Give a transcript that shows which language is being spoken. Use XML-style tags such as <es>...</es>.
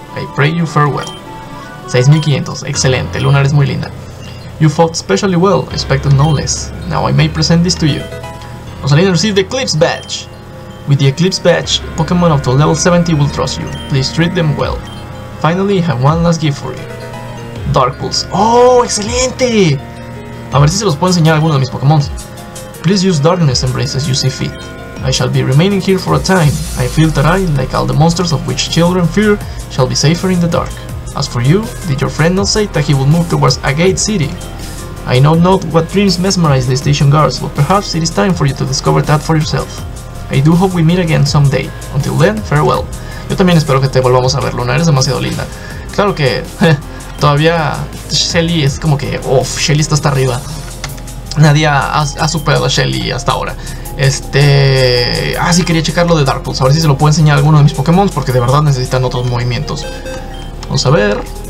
<en>I pray you farewell.</en> <es>6500, excelente, Lunar es muy linda.</es> <en>You fought specially well, expected no less. Now I may present this to you. Rosalina received the Eclipse Badge. With the Eclipse Badge, Pokémon up to level 70 will trust you. Please treat them well. Finally, I have one last gift for you.</en> <es>Dark Pulse. ¡Oh, excelente! A ver si se los puedo enseñar a alguno de mis Pokémon.</es> <en>Please use Darkness Embrace as you see fit. I shall be remaining here for a time. I feel that I, like all the monsters of which children fear, shall be safer in the dark. As for you, did your friend not say that he would move towards Agate City? I know not what dreams mesmerize the station guards, but perhaps it is time for you to discover that for yourself. I do hope we meet again someday. Until then, farewell.</en> <es>Yo también espero que te volvamos a ver, Luna. Eres demasiado linda. Claro que... todavía Shelly es como que... uff, Shelly está hasta arriba. Nadie ha superado a Shelly hasta ahora. Sí, quería checar lo de Dark Pulse. A ver si se lo puedo enseñar a alguno de mis Pokémon, porque de verdad necesitan otros movimientos. Vamos a ver.</es>